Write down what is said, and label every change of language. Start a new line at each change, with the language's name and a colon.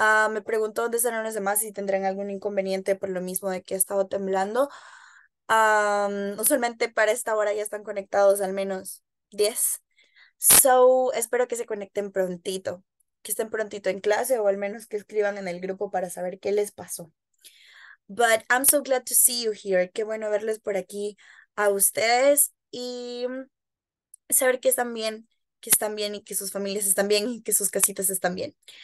Spanish: Me pregunto dónde estarán los demás y si tendrán algún inconveniente por lo mismo de que he estado temblando. Usualmente para esta hora ya están conectados al menos 10. Espero que se conecten prontito, que estén prontito en clase o al menos que escriban en el grupo para saber qué les pasó.
English: But I'm so glad to see you here.
Spanish: Qué bueno verles por aquí a ustedes y saber que están bien, y que sus familias están bien y que sus casitas están bien.